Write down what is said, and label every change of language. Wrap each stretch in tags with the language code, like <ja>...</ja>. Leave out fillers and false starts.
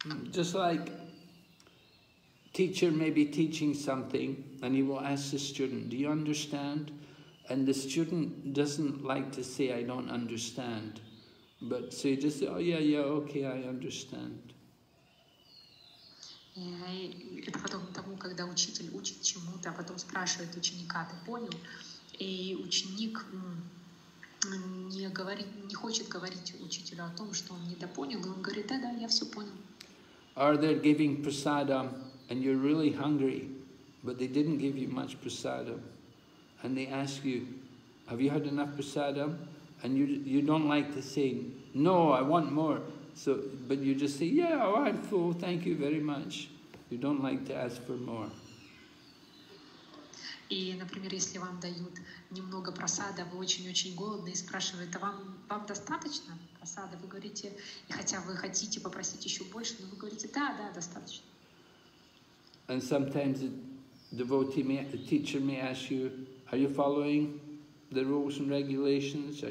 <en>Just like teacher may be teaching something, and he will ask the student, do you understand? And the student doesn't like to say, I don't understand. But so you just say, oh yeah, yeah, okay, I understand.</en> <ru>Это потом тому, когда учитель учит чему-то, а потом спрашивает ученика, ты понял? И ученик не хочет говорить учителю о том, что он недопонял, и он говорит, да, я все понял.</ru> <en>Or they're giving prasadam, and you're really hungry, but they didn't give you much prasadam. And they ask you, have you had enough prasadam? And you don't like to say, no, I want more. So, but you just say, yeah, oh, I'm full, thank you very much. You don't like to ask for more.</en> <ru>И, например, если вам дают немного просада, вы очень-очень голодны и спрашивают, а вам достаточно просада? Вы говорите, и хотя вы хотите попросить еще больше, но вы говорите, да, достаточно.</ru> <en>And sometimes the devotee may, the teacher may ask you, are you following the rules and regulations?</en>